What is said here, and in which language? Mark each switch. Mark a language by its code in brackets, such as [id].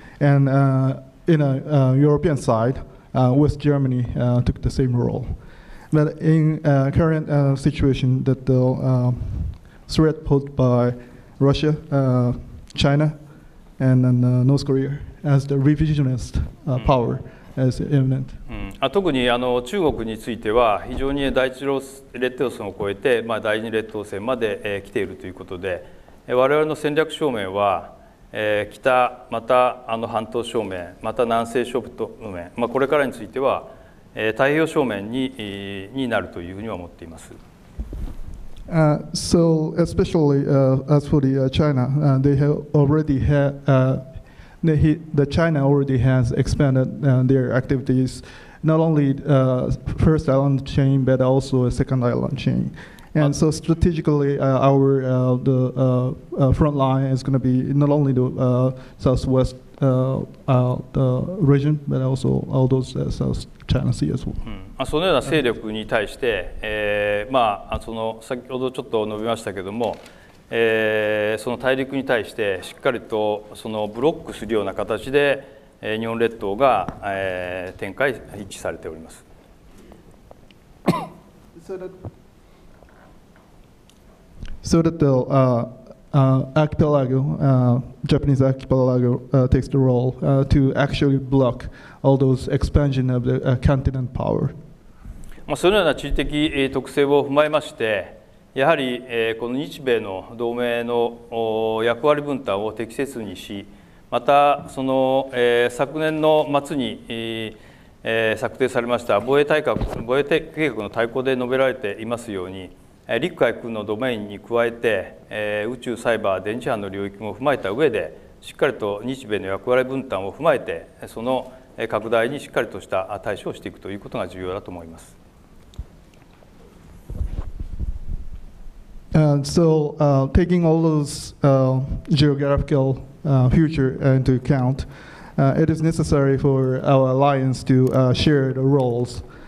[en] And in a European side, West Germany took the same role. But in current situation, that the threat posed by Russia, China, and then North Korea as the revisionist power as imminent. [ja] 特にあの中国については非常に第一列島線を越えて、まあ、第二列島線まで、来ているということで、我々の戦略正面は、北またあの半島正面また南西諸島正面、まあ、これからについては、太平洋正面 になるというふうには思っています。 [en] So especially as for the China, they have already had the China already has expanded their activities, not only first island chain but also a second island chain, and so strategically our the front line is going to be not only the southwest the region but also all those South China Sea as well. [ja] そのような勢力に対して、まあ、その先ほどちょっと述べましたけれども、その大陸に対してしっかりとそのブロックするような形で日本列島が、展開位置されております。 [en] So that the archipelago, Japanese archipelago takes the role to actually block all those expansion of the continent power. [ja] まあ、そのような地理的特性を踏まえまして、やはりこの日米の同盟の役割分担を適切にし、またその昨年の末に策定されました防衛計画の大綱で述べられていますように、陸海空のドメインに加えて、宇宙サイバー電磁波の領域も踏まえた上で、しっかりと日米の役割分担を踏まえて、その拡大にしっかりとした対処をしていくということが重要だと思います。 [en] And so taking all those geographical future into account, it is necessary for our alliance to share the roles.